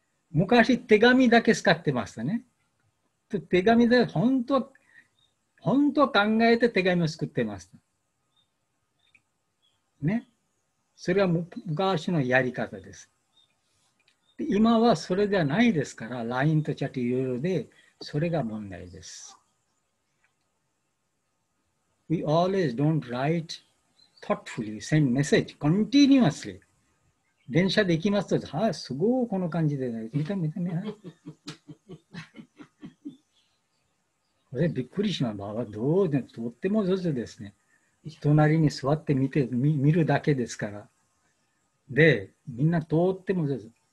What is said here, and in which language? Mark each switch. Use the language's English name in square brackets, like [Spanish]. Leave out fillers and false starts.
[Japanese] 昔手紙だけ使ってましたね。手紙で本当は考えて手紙を作ってました。ね。それは昔のやり方です。で、今はそれではないですから、LINE とチャットいろいろで、それが問題です。 [English] We always don't write thoughtfully, send message continuously. [Japanese] 電車で行きますと、はい、すごいこの感じで、見て、はい、これびっくりしました。ばば、どうで、とっても上手ですね。隣に座って見るだけですから。で、みんなとっても上手。